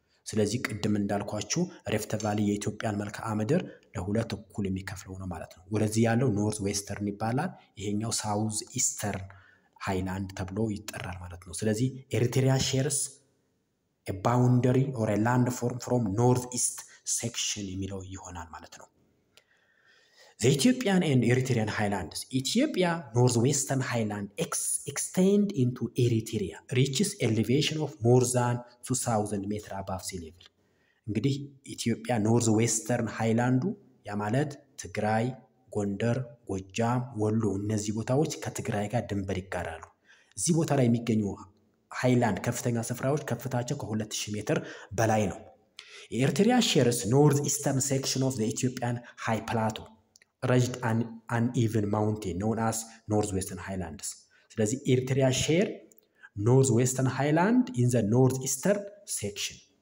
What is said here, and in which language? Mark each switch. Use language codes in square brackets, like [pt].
[am] ስለዚህ ቀደም እንዳልኳችሁ Rift Valley የኢትዮጵያን መልክዓ ምድር ለሁለት እኩል የሚከፍለው ነው ማለት ነው። ወደዚህ ያለው North Western ይባላል ይሄኛው South Eastern Highland ተብሎ ይጠራል ማለት ነው። ስለዚህ [en] Eritrea shares a boundary or a landform from northeast section [am] የሚለው ይሆናል ማለት ነው። [en] The Ethiopian and Eritrean Highlands. Ethiopia northwestern highland extend into Eritrea reaches elevation of more than 2000 meters above sea level. [am] እንግዲህ ኢትዮጵያ northwestern highlandu ያ ማለት ትግራይ ጎንደር ጎጃም ወሎ እነዚህ ቦታዎች ከትግራይ ጋር ድንበር ይጋራሉ እዚህ ቦታ ላይ የሚገኙ ሃይላንድ ከፍተኛ ስፍራዎች ከፍታቸው ከ2000 ሜትር በላይ ነው ኤርትሪያ [en] shares north eastern section of the ethiopian high plateau ridged and uneven mountain known as northwestern highlands [am] ስለዚህ ኤርትሪያ [en] share northwestern highland in the north eastern section